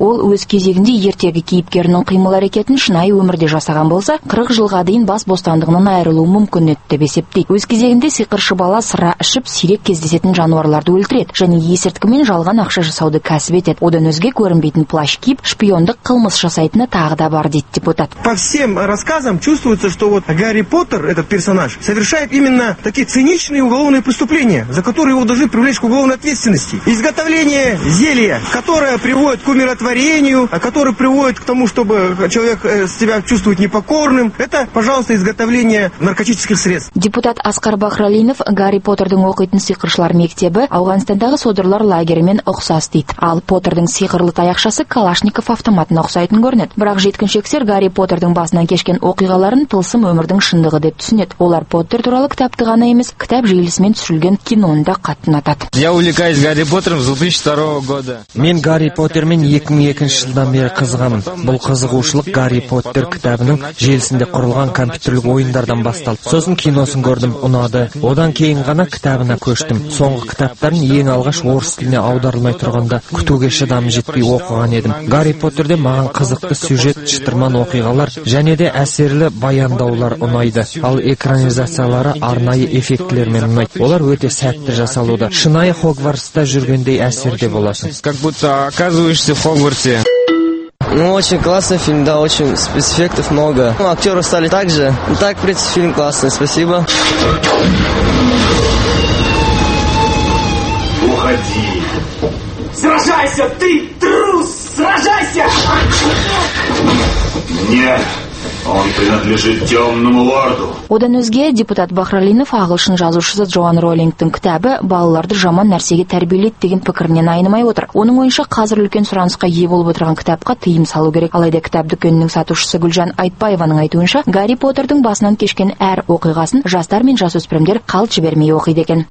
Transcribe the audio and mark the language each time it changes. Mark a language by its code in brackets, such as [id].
[kk] Ол өз кезегінде ертегі кейіпкерінің қимыл әрекетін шынайы өмірде жасаған болса, 40 жылға дейін бас бостандығынан айырылуы мүмкін еді деп есептейді. Өз кезегінде сиқыршы бала сыра ішіп, сирек кездесетін жануарларды өлтіреді және есірткімен жалған ақша жасауды кәсіп етеді. Одан өзге көрінбейтін плащ киіп, шпиондық қылмыс жасайтыны тағы да бар деді депутат. [ru] По всем рассказам чувствуется, что вот Гарри Поттер этот персонаж совершает именно такие циничные уголовные преступления, за которые его должны привлечь к уголовной ответственности. Изготовление зелья, которое приводит к умиротворению, которое приводит к тому, чтобы человек себя чувствует непокорным. Это, пожалуйста, изготовление наркотических средств. [kk] Депутат Асқар Бахралинов Гарри Поттердің оқитын сиқыршылар мектебі Ауғанстандағы содырлар лагерімен ұқсас дейді. Ал Поттердің сиқырлы таяқшасы Калашников автоматына ұқсайтын көрінеді. Бірақ жеткіншектер Гарри Поттердің басынан кешкен оқиғаларын тылсым өмірдің шындығы деп түсінеді. Олар Поттер туралы кітапты ғана емес, кітап желісімен түсірілген киноны да қатты ұнатады. [ru] Я увлекаюсь Гарри Поттером с 2002 года. [kk] Мен Гарри Поттермен 2002 жылдан бері қызығамын. Бұл қызығушылық Гарри Поттер кітабының желісінде құрылған компьютерлік ойындардан басталды. Сосын киносын көрдім, ұнады. Одан кейін ғана кітабына көштім. Соңғы кітаптарын ең алғаш орыс тіліне аударылмай тұрғанда күтуге шыдам жетпей оқыған едім. Гарри Поттерде маған қызықты сюжет, шытырман оқиғалар және де әсерлі баяндаулар ұнайды. Ал экранизация лары арнайы эффектлермен ұнайды. Олар өте сәтті жасалуда. Шынайы Хогвартста жүргендей әсерде боласың. [ru] Как будто оказываешься в Хогвартсе. Ну, очень классный фильм, да, очень спецэффектов много. Ну, актеры стали так же. Ну, так, в принципе, фильм классный. Спасибо. Уходи. Сражайся, ты трус! Сражайся! Нет. Он принадлежит темному лорду. [kk] Одан өзге депутат Бахралинов ағылшын жазушысы Джоан Роулингтің кітабы балаларды жаман нәрсеге тәрбиелейді деген пікірінен айнымай отыр. Оның ойынша қазір үлкен сұранысқа ие болып отырған кітапқа тыйым салу керек. Алайда кітап дүкенінің сатушысы Гүлжан Айтбаеваның айтуынша, Гарри Поттердің басынан кешкен әр оқиғасын жастар мен жасөспірімдер қалт жібермей оқиды екен.